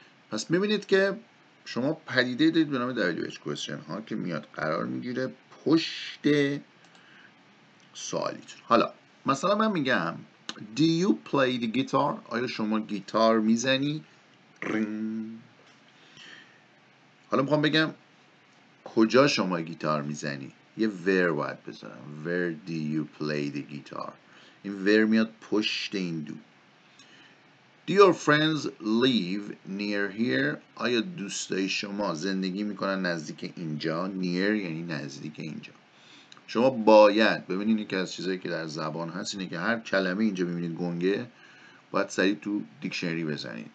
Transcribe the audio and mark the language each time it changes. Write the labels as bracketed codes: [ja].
[fa] پس میبینید که شما پدیده دارید به نام WH question ها که میاد قرار میگیره پشت سوالیتون. حالا مثلا من میگم [en] Do you play the guitar؟ [fa] آیا شما گیتار میزنی؟ رن. حالا میخوام بگم کجا شما گیتار میزنی؟ یه where باید بذارم. [en] Where do you play the guitar؟ [fa] این where میاد پشت این دو. [en] Do your friends live near here؟ [fa] آیا دوستای شما زندگی میکنن نزدیک اینجا؟ near یعنی نزدیک اینجا. شما باید ببینید که از چیزایی که در زبان هست اینه که هر کلمه اینجا میبینید گنگه باید سریع تو دیکشنری بزنید.